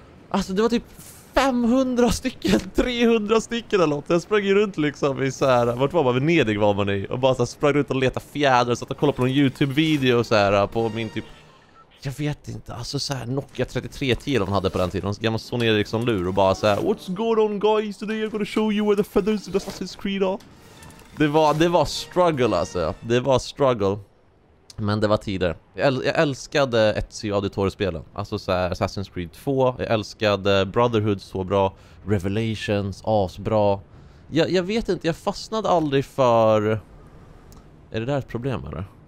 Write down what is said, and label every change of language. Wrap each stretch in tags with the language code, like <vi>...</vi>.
<sv>Alltså det var typ 500 stycken, 300 stycken eller något. Jag sprang runt liksom i så här, vart var man? Venedig var man i. Och bara så sprang runt och letade fjädrar. Satt och kollade på någon YouTube-video och så här på min typ. Jag vet inte. Alltså så här Nokia 3310 man hade på den tiden. Gammal Sony Ericsson lur och bara så här,</sv> <en>what's going on guys? Today I'm gonna show you where the feathers of Assassin's Creed are.</en> <sv>Det var struggle alltså. Det var struggle. Men det var tider. Jag älskade Ezio Auditore-spelen. Alltså så här, Assassin's Creed 2. Jag älskade Brotherhood så bra. Revelations, asbra. Jag vet inte, jag fastnade aldrig för... Är det där ett problem eller?</sv>